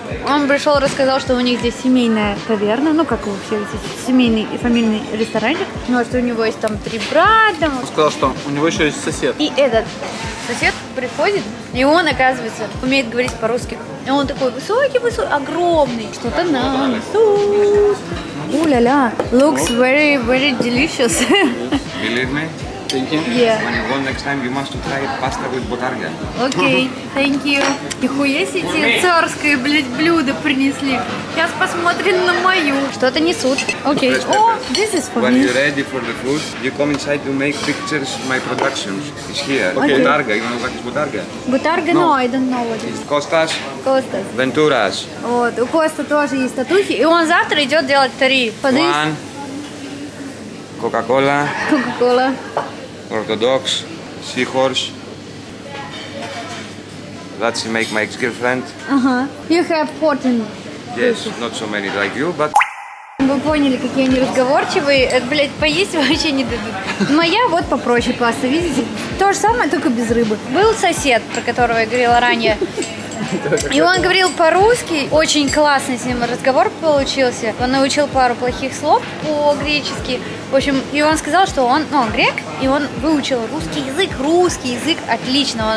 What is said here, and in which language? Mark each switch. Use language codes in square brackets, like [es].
[ru] Он пришел, рассказал, что у них здесь семейная таверна, ну, как у всех здесь, семейный и фамильный ресторанчик. Ну, а что у него есть там три брата. Он сказал, что у него еще есть сосед. И этот сосед приходит, и он, оказывается, умеет говорить по-русски. И он такой высокий-высокий, огромный. Что-то на суп. У-ля-ля. [en] Looks very, very delicious. Believe me. Thank you. Yeah. When you go next time, you must try pasta with botarga. Okay, thank you. [ru] Нихуя себе царское, блядь, блюдо принесли. Сейчас посмотрим на мою. [en] Что-то несут. Okay. This is for when me. When you're ready for the food, you come inside to make pictures of my production. It's here. Okay. Botarga, you know what is botarga? Botarga? No, I don't know what it is. Костас. Костас. Вентурас. [ru] Вот, у Коста тоже есть татухи, и он завтра идет делать три. [en] One. Coca-Cola. Coca-Cola. Orthodox. Seahorse. That's to make my ex-girlfriend. Uh-huh. You have 14. Yes, not so many like you, but... [ru] Вы поняли, какие они разговорчивые. Это, блядь, поесть вообще не дадут. Моя вот попроще паста, видите? То же самое, только без рыбы. Был сосед, про которого я говорила ранее. И он говорил по-русски, очень классный с ним разговор получился. Он научил пару плохих слов по-гречески. В общем, и он сказал, что он, ну, он грек, и он выучил русский язык отлично.